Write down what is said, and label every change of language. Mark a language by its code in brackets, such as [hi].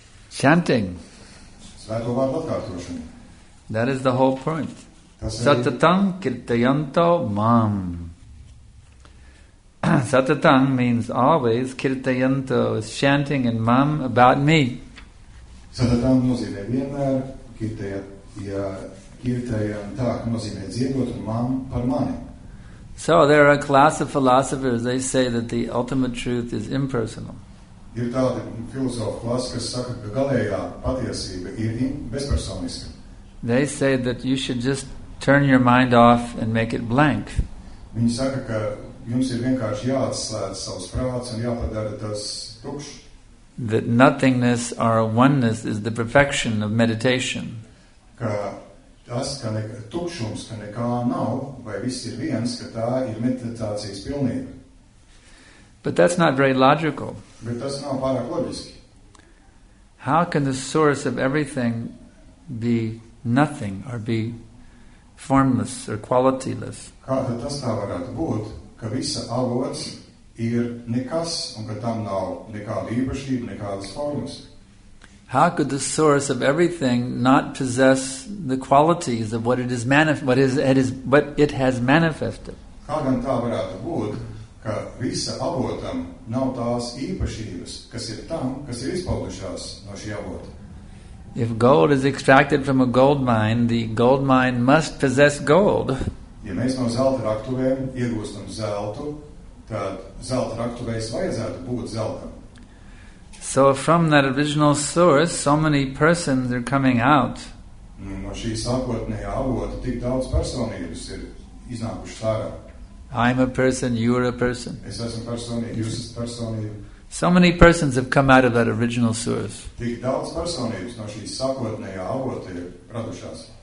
[en] Chanting. That is the whole point. [sa] Satatam kirtayanto mam. [en] Satatam means always, kirtayanto is chanting and mam about me. [lv] Satatam nozīmē vienmēr, kirtayanto nozīmē dziedot un mam par mani. [en] So there are a class of philosophers, they say that the ultimate truth is impersonal. [lv] Ir tādi filozofu klasi, kas saka, ka galējā patiesība ir bezpersoniska. [en] They say that you should just turn your mind off and make it blank. [lv] Viņi saka, ka jums ir vienkārši jāatslēdz savs prāts un jāpadara tas tukšs. [en] That nothingness or oneness is the perfection of meditation. [lv] Ka tas, ka tukšums, ka nekā nav, vai viss ir viens, ka tā ir meditācijas pilnība. [en] But that's not very logical. [lv] Bet tas nav pārāk loģiski. [en] How can the source of everything be nothing or be formless or qualityless? [lv] Kā tad tas tā varētu būt, ka visa avots ir nekas un ka tam nav nekāda īpašība, nekādas formas? [en] How could the source of everything not possess the qualities of what it is what it has manifested? [lv] Kā gan tā varētu būt, ka visa avotam nav tās īpašības, kas ir tam, kas ir izpaudušās no šī avota? [en] If gold is extracted from a gold mine, the gold mine must possess gold. [lv] Ja mēs no zelta raktuvēm iegūstam zeltu, tad zelta raktuvēs vajadzētu būt zeltam. [en] So from that original source, so many persons are coming out. [lv] No šī sākotnējā avota tik daudz personības ir iznākušas ārā. [en] I'm a person, you're a person. [lv] Es esmu personība, jūs esat personība. [en] So many persons have come out of that original source. [lv] Tik daudz personības no šī sākotnējā avota ir radušās.